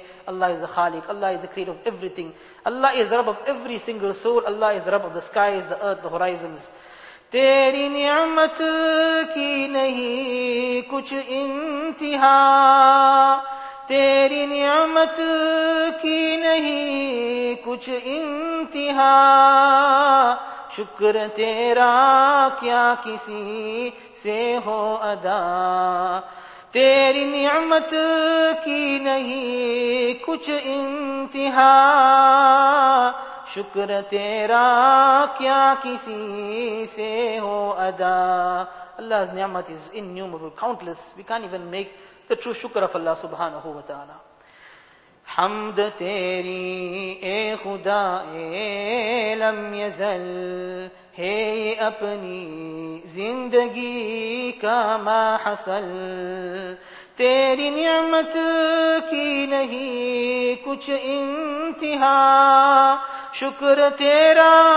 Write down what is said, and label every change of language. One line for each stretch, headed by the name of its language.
English: Allah is the Khaliq, Allah is the creator of everything. Allah is the Rabb of every single soul. Allah is the Rabb of the skies, the earth, the horizons.
Urdu: تیری نعمت کی نہیں کچھ انتہا تیری نعمت کی نہیں کچھ انتہا شکر تیرا کیا کسی سے ہو ادا تیری نعمت کی نہیں کچھ انتہا شکر تیرا کیا کسی سے ہو ادا.
English: Allah's نعمت is innumerable, countless. We can't even make the true shukr of Allah subhanahu wa ta'ala.
Urdu: حمد تیری اے خدا اے لم يزل ہے اپنی زندگی کا ما حصل تیری نعمت کی نہیں کچھ انتہا شکر تیرا